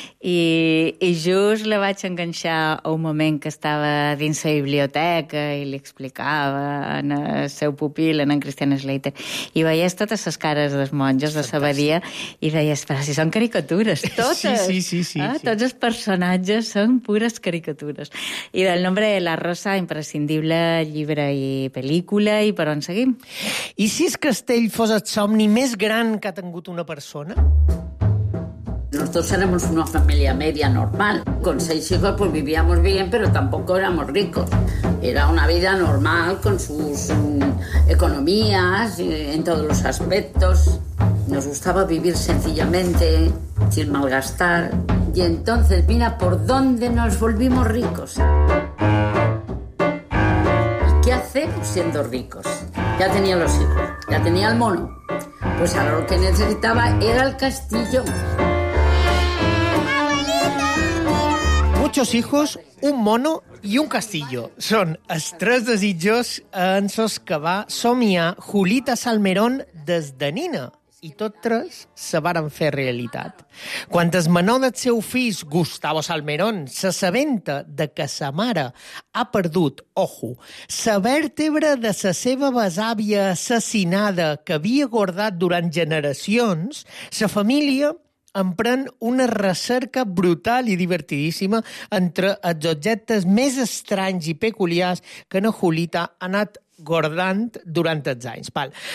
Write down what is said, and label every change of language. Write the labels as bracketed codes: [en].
[ca] I just la vaig enganxar a un moment que estava dins la biblioteca i li explicava en el seu pupil, en Christian Slater, i veies totes les cares dels monjos de l'abadia i deies, però si són caricatures, totes! Sí, sí, sí, sí, eh? Sí. Tots els personatges són pures caricatures. I del nombre de la Rosa, imprescindible llibre i pel·lícula, i per on seguim? I si el castell fos el somni més gran que ha tingut una persona? [es] Los dos éramos una familia media normal. Con seis hijos pues vivíamos bien, pero tampoco éramos ricos. Era una vida normal con sus economías en todos los aspectos. Nos gustaba vivir sencillamente, sin malgastar. Y entonces mira por dónde nos volvimos ricos. ¿Y qué hacemos siendo ricos? Ya tenía los hijos, ya tenía el mono. Pues ahora lo que necesitaba era el castillo. Muchos hijos, un mono y un castillo. [ca] Són els tres desitjos en sos que va somiar Julita Salmerón des de nina. i tots tres se varen fer realitat. Quan es menor del seu fill, Gustavo Salmerón, s'assabenta de que sa mare ha perdut, ojo, sa vèrtebra de sa seva besàvia assassinada que havia guardat durant generacions, sa família empren una recerca brutal i divertidíssima entre els objectes més estranys i peculiars que na Julita ha anat guardant durant els anys. Val.